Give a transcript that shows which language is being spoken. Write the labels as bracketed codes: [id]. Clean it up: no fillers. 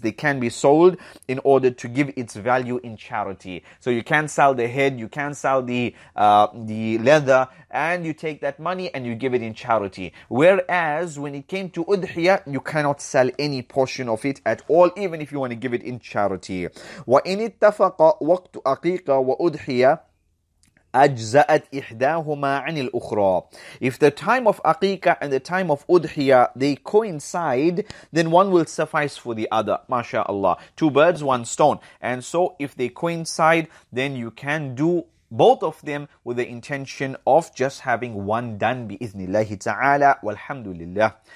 [en] They can be sold in order to give its value in charity. So you can sell the head, you can sell the leather, and you take that money and you give it in charity. Whereas when it came to udhiyah, you cannot sell any portion of it at all, even if you want to give it in charity. [ar] وَإِنْ اتَّفَقَ وَقْتُ أَقِيقَةٍ وَأُدْحِيَةٍ أجزأت إحداهما عن الأخرى. [en] If the time of aqiqah and the time of udhiyah, they coincide, then one will suffice for the other. MashaAllah. 2 birds, 1 stone. And so if they coincide, then you can do both of them with the intention of just having one done, [ar] بإذن الله تعالى والحمد لله.